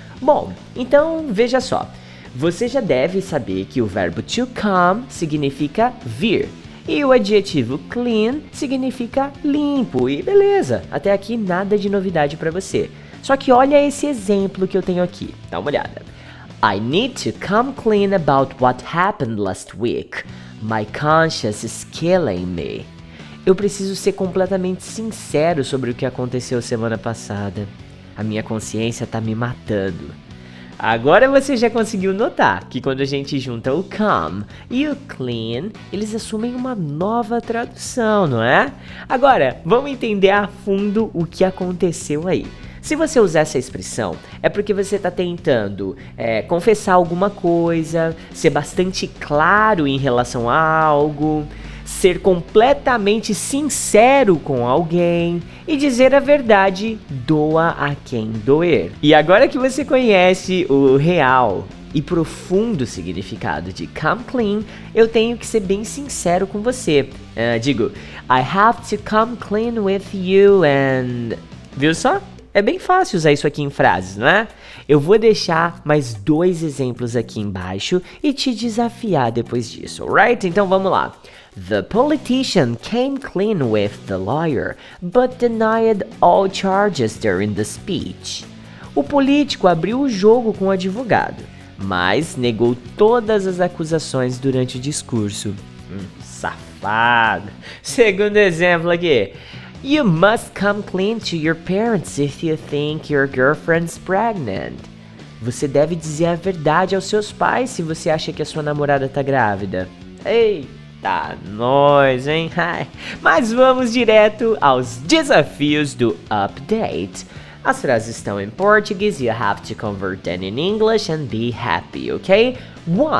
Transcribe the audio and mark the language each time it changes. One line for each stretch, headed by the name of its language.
Portuguese: Bom, então veja só, você já deve saber que o verbo to come significa vir e o adjetivo clean significa limpo e beleza, até aqui nada de novidade pra você. Só que olha esse exemplo que eu tenho aqui, dá uma olhada.
English: I need to come clean about what happened last week. My conscience is killing me.
Portuguese: Eu preciso ser completamente sincero sobre o que aconteceu semana passada. A minha consciência tá me matando. Agora você já conseguiu notar que quando a gente junta o come e o clean, eles assumem uma nova tradução, não é? Agora, vamos entender a fundo o que aconteceu aí. Se você usar essa expressão, é porque você tá tentando confessar alguma coisa, ser bastante claro em relação a algo, ser completamente sincero com alguém e dizer a verdade, doa a quem doer. E agora que você conhece o real e profundo significado de come clean, eu tenho que ser bem sincero com você. Digo,
English: I have to come clean with you and...
Portuguese: Viu só? É bem fácil usar isso aqui em frases, não é? Eu vou deixar mais dois exemplos aqui embaixo e te desafiar depois disso, alright? Então vamos lá.
English: The politician came clean with the lawyer, but denied all charges during the speech.
Portuguese: O político abriu o jogo com o advogado, mas negou todas as acusações durante o discurso. Safado! Segundo exemplo aqui.
English: You must come clean to your parents if you think your girlfriend's pregnant.
Portuguese: Você deve dizer a verdade aos seus pais se você acha que a sua namorada tá grávida. Ei! Tá nóis, hein? Ai. Mas vamos direto aos desafios do update. As frases estão em português,
English: you have to convert them in English and be happy, ok? 1.